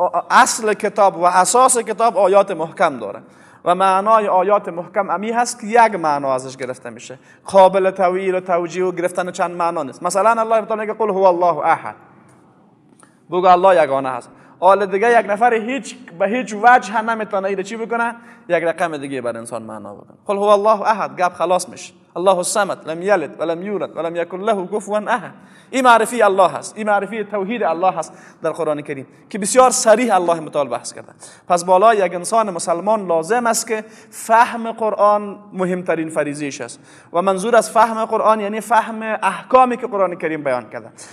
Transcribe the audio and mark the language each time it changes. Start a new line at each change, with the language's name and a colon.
Persian: اصل کتاب و اساس کتاب آیات محکم داره و معنای آیات محکم امی هست که یک معنا ازش گرفته میشه، قابل تأویل و توجیه و گرفتن چند معنا نیست. مثلا الله تعالی میگه
Arabic: قل هو الله احد،
Persian: بگو الله یگانه هست. حالا دیگه یک نفر هیچ به هیچ وجه نمیتونه اینو چی بکنه، یک رقم دیگه بر انسان معنا بکنه.
Arabic: قل هو الله احد،
Persian: گپ خلاص میشه.
Arabic: الله الصمد، لم یلد ولم یولد ولم یکن له کفوا احد.
Persian: این معرفی الله هست، این معرفی توحید الله هست در قرآن کریم که بسیار صریح الله متعال بحث کرده. پس بالا یک انسان مسلمان لازم است که فهم قرآن مهمترین فریضه‌اش است، و منظور از فهم قرآن یعنی فهم احکامی که قرآن کریم بیان کرده.